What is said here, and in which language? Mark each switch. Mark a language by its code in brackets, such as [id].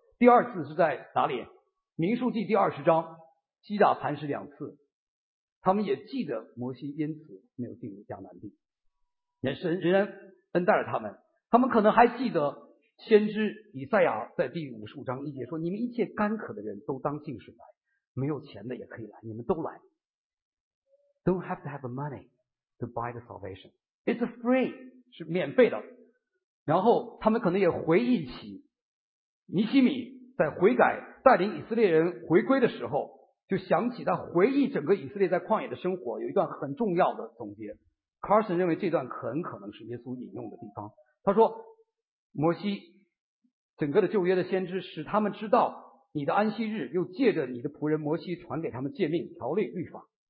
[zh] 第二次是在哪里？民数记第二十章，击打磐石两次，他们也记得摩西因此没有进入迦南地，神仍然恩待了他们。他们可能还记得先知以赛亚在第五十五章一节说，你们一切干渴的人都当进水来，没有钱的也可以来，你们都来。 [en] Don't have to have money to buy the salvation, it's free, [zh] 是免费的。然后他们可能也回忆起尼希米在悔改带领以色列人回归的时候，就想起他回忆整个以色列在旷野的生活，有一段很重要的总结。 Carson 认为这段很可能是耶稣引用的地方，他说摩西整个的旧约的先知使他们知道你的安息日，又借着你的仆人摩西传给他们诫命条例律法。